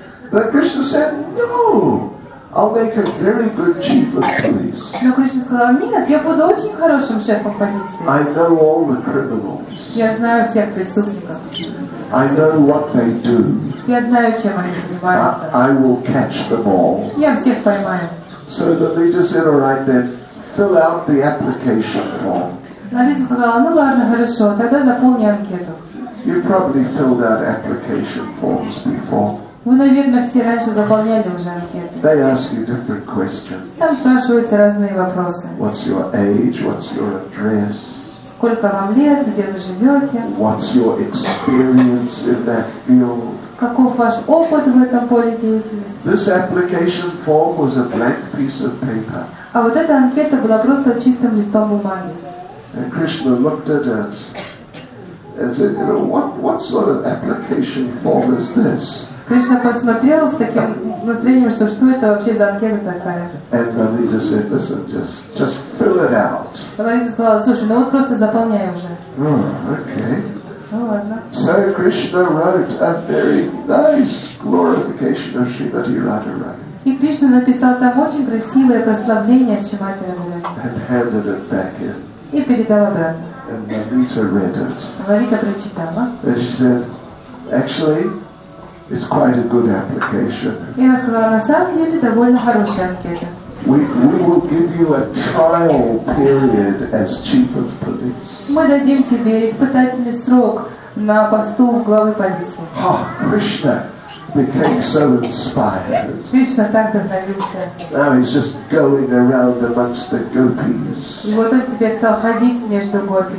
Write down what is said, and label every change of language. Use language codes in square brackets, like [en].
[en] But Krishna said, no. I'll make a very good chief of police. [ru] Но Кришна сказал, нет, я буду очень хорошим шефом полиции. [en] I know all the criminals. [ru] Я знаю всех преступников. [en] I know what they do. [ru] Я знаю, чем они занимаются. [en] I will catch them all. [ru] Я всех поймаю. [en] So the leader said, all right then, fill out the application form. [ru] Лалита сказала, ну ладно, хорошо, тогда заполни анкету. [en] You probably filled out application forms before. [ru] Вы, наверное, все раньше заполняли уже анкеты. [en] They ask you different questions. [ru] Там спрашиваются разные вопросы. [en] What's your age? What's your address? [ru] Сколько вам лет? Где вы живете? [en] What's your experience in that field? [ru] Каков ваш опыт в этом поле деятельности? [en] This application form was a blank piece of paper. [ru] А вот эта анкета была просто чистым листом бумаги. [en] And Krishna looked at it and said, you know, what sort of application form is this? [ru] Кришна посмотрел с таким настроением, что это вообще за анкета такая. [en] And Lalita said, listen, just fill it out. [ru] Лалита сказала, слушай, ну вот просто заполняй уже. [en] Okay. [ru] Ну ладно. [en] So Krishna wrote a very nice glorification of Srimati Radharani. [ru] И Кришна написал там очень красивое прославление Шримати Радхарани. [en] And handed it back in. [ru] И передал обратно. [en] And Lalita read it. [ru] Лалита прочитала. [en] And she said, actually, it's quite a good application. [ru] И она сказала, на самом деле довольно хорошая анкета. [en] We will give you a trial period as chief of police. [ru] Мы дадим тебе испытательный срок на посту главы полиции. [en] Oh, Krishna became so inspired. [ru] Кришна так вдохновился. [en] Now he's just going around amongst the gopis. [ru] И вот он теперь стал ходить между гопи.